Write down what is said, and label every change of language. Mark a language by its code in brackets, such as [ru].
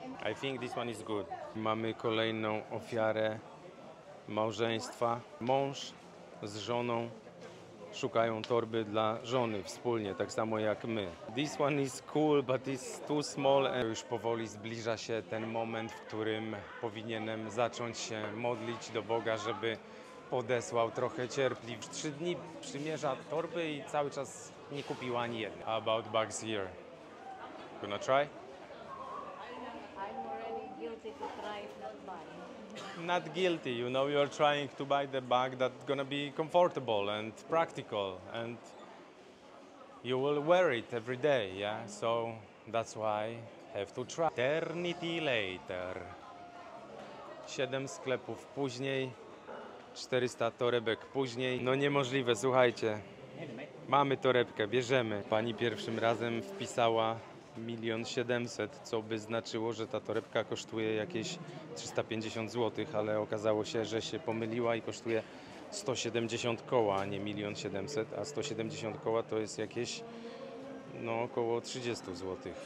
[en] I think this one is good. [pl] Mamy kolejną ofiarę małżeństwa. Mąż z żoną szukają torby dla żony wspólnie, tak samo jak my. [en] This one is cool, but it's too small. [pl] Już powoli zbliża się ten moment, w którym powinienem zacząć się modlić do Boga, żeby podesłał trochę cierpliw. 3 dni przymierza torby i cały czas nie kupiła ani jednej. [en] How about bags here? Gonna try? I'm already guilty to try, not buy. Not guilty, you know, you're trying to buy the bag that's gonna be comfortable and practical and you will wear it every day, yeah? So that's why I have to try. Eternity later. [pl] 7 sklepów później, 400 torebek później. No niemożliwe, słuchajcie. Mamy torebkę, bierzemy. Pani pierwszym razem wpisała 1 700 000, co by znaczyło, że ta torebka kosztuje jakieś 350 zł, ale okazało się, że się pomyliła i kosztuje 170 koła, a nie 1 700 000, a 170 koła to jest jakieś, no, około 30 zł.